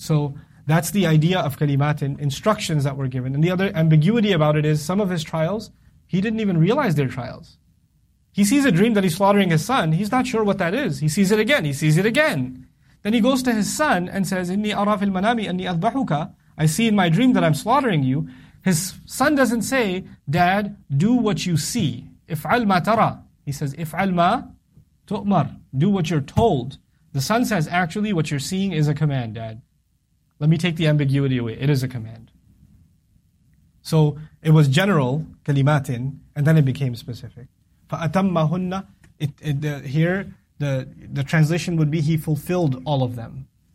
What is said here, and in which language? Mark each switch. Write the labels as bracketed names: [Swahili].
[English] So that's the idea of kalimatin, instructions that were given. And the other ambiguity about it is some of his trials, he didn't even realize they're trials. He sees a dream that he's slaughtering his son, he's not sure what that is. He sees it again, he sees it again. Then he goes to his son and says, [Arabic] إِنِّي أَرَى فِي الْمَنَامِ أَنِّي أَذْبَحُكَ. [English] I see in my dream that I'm slaughtering you. His son doesn't say, Dad, do what you see. [Arabic] إِفْعَلْ مَا تَرَى. [English] He says, [Arabic] إِفْعَلْ مَا تُؤْمَرْ. [English] Do what you're told. The son says, actually, what you're seeing is a command, Dad. Let me take the ambiguity away. It is a command. So it was general, kalimatin, and then it became specific. [Arabic] فَأَتَمَّهُنَّ. [English] Here, the translation would be, he fulfilled all of them.